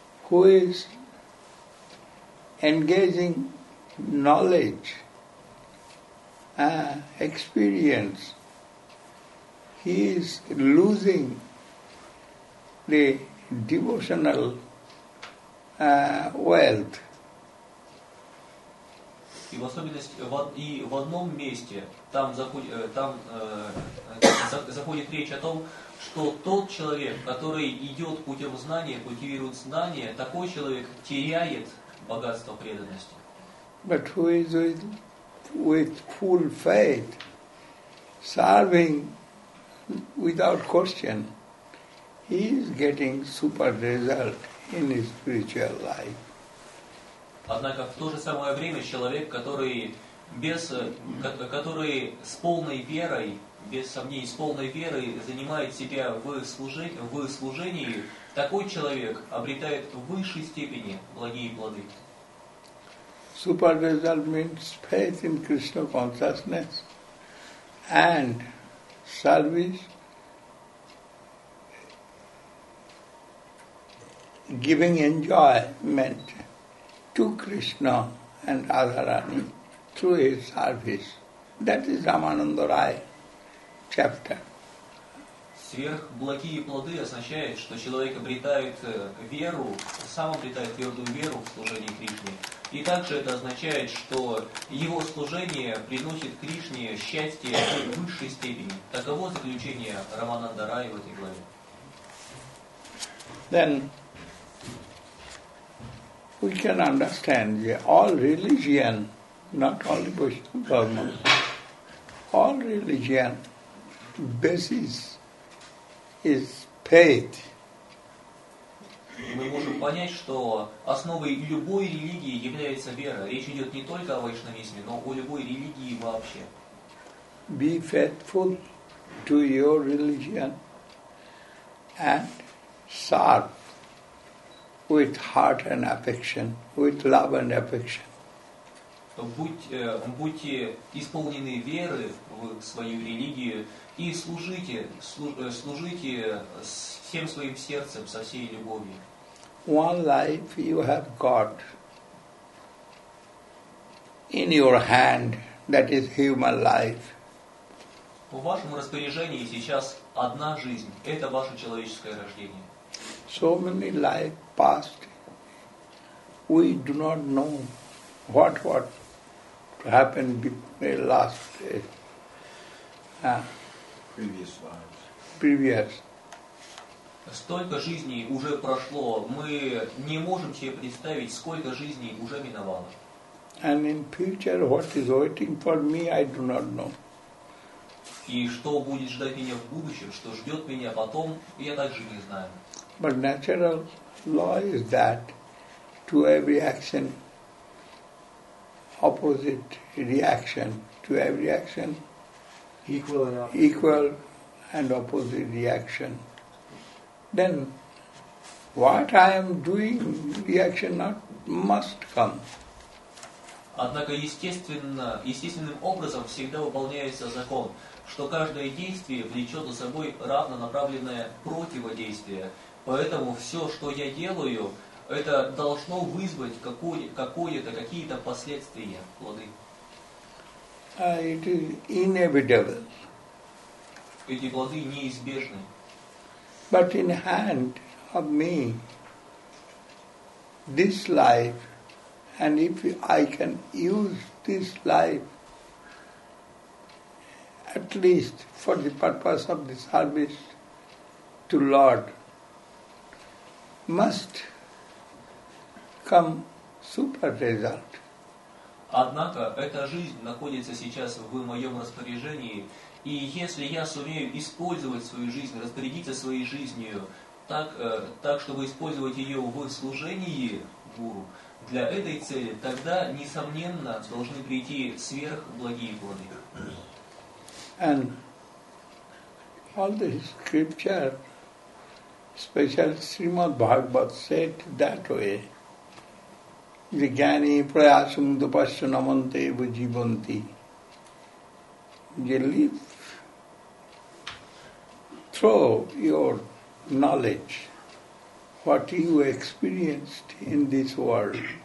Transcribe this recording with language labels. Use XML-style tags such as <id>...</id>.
<en>Who is engaging knowledge, experience, he is losing the devotional wealth.</en> <ru>И в особенности в одном месте заходит речь о том, что тот человек, который идет путем знания, культивирует знания, такой человек теряет богатство преданности.</ru> <en>But who is with full faith, serving without question, he is getting super result in his spiritual life.</en> <ru>Однако в то же самое время человек, который с полной верой, без сомнений, с полной верой занимает себя в служении, такой человек обретает в высшей степени благие плоды.</ru> <en>Super result means faith in Krishna consciousness and service, giving enjoyment to Krishna and Radharani through his service. That is Ramananda Rai chapter.</en> <ru>Сверхблагие плоды означает, что человек обретает веру, сам обретает твердую веру в служении Кришне. И также это означает, что его служение приносит Кришне счастье в высшей степени. Таково заключение Рамананда Рай в этой главе.</ru> <en>Then we can understand all religion, not only Vaishnava Dharma, all religion basis is faith.</en> <ru>Мы можем понять, что основой любой религии является вера. Речь идет не только о вайшнавизме, но о любой религии вообще.</ru> <en>Be faithful to your religion and serve with heart and affection, with love and affection.</en> <ru>Будьте исполнены веры в свою религию и служите всем своим сердцем, со всей любовью.</ru> <en>One life you have got in your hand, that is human life.</en> <ru>В вашем распоряжении сейчас одна жизнь, это ваше человеческое рождение.</ru> <en>So many life past, we do not know what happened previous lives.</en> <ru>Столько жизней уже прошло, мы не можем себе представить, сколько жизней уже миновало.</ru> <en>And in future, what is waiting for me, I do not know.</en> <ru>И что будет ждать меня в будущем, что ждет меня потом, я также не знаю.</ru> <en>But natural law is that to every action, opposite reaction, to every action, equal and opposite reaction. Then, what I am doing, reaction not must come.</en> <ru>Однако естественным образом всегда выполняется закон, что каждое действие влечет за собой равнонаправленное противодействие. Поэтому все, что я делаю, это должно вызвать какие-то последствия, плоды.</ru> <en>It is inevitable.</en> <ru>Эти плоды неизбежны.</ru> <en>But in hand of me, this life, and if I can use this life at least for the purpose of the service to Lord, must come super result.</en> <ru>Однако эта жизнь находится сейчас в моем распоряжении, и если я сумею использовать свою жизнь, распорядиться своей жизнью так, чтобы использовать ее в служении Гуру, для этой цели, тогда, несомненно, должны прийти сверхблагие плоды.</ru> <en>And all the scripture, especially Srimad Bhagavat, said that way.</en> <sa>Jnani prayasam dupasya namante vajivanti.</sa> <en>You live through your knowledge, what you experienced in this world.</en>